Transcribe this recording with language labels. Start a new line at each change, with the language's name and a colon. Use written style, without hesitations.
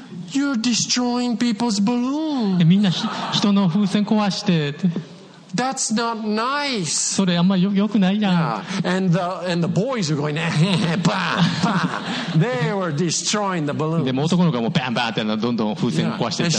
English: You're destroying people's balloon.
Japanese: みんな人の風船壊して。
English: That's not nice.
Japanese: それあんまり良くないじゃん。
English: Yeah. And the boys are going bam bam. They were destroying the balloon.
Japanese: でも男の子もバンバンってどんどん風船壊していった。